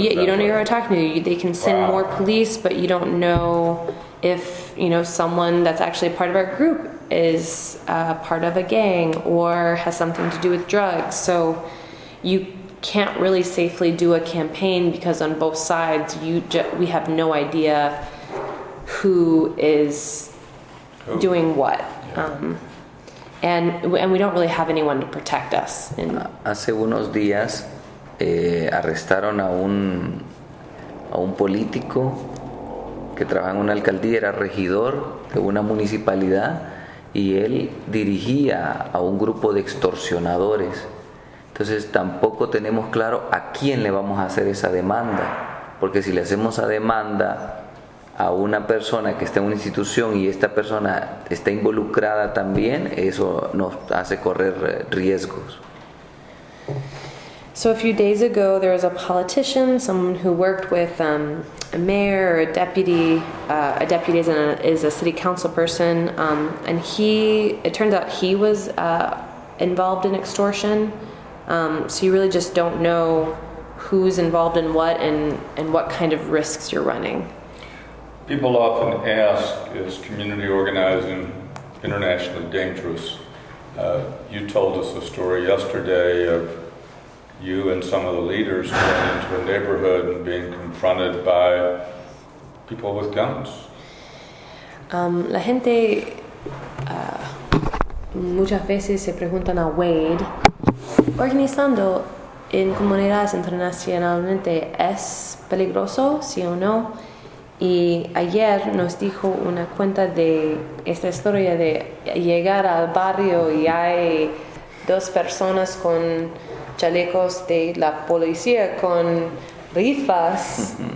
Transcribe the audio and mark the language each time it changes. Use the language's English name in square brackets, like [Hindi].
[English] Yeah, you don't know who you're talking to. They can send more police, but you don't know if, someone that's actually part of our group is part of a gang or has something to do with drugs. So you can't really safely do a campaign because on both sides, we have no idea who is doing what. Yeah. And we don't really have anyone to protect us. [Spanish] Hace unos días arrestaron a un político que trabaja en una alcaldía, era regidor de una municipalidad, y él dirigía a un grupo de extorsionadores. Entonces tampoco tenemos claro a quién le vamos a hacer esa demanda, porque si le hacemos a demanda a una persona que está en una institución y esta persona está involucrada también, eso nos hace correr riesgos. [English] So a few days ago, there was a politician, someone who worked with a mayor or a deputy. A deputy is a city council person. And it turns out he was involved in extortion. So you really just don't know who's involved in what and what kind of risks you're running. People often ask, is community organizing internationally dangerous? You told us a story yesterday of you and some of the leaders going into a neighborhood and being confronted by people with guns. [Spanish] La gente muchas veces se preguntan a Wade, organizando en comunidades internacionalmente, ¿es peligroso, sí o no? Y ayer nos dijo una cuenta de esta historia de llegar al barrio y hay dos personas con chalecos de la policía con rifas.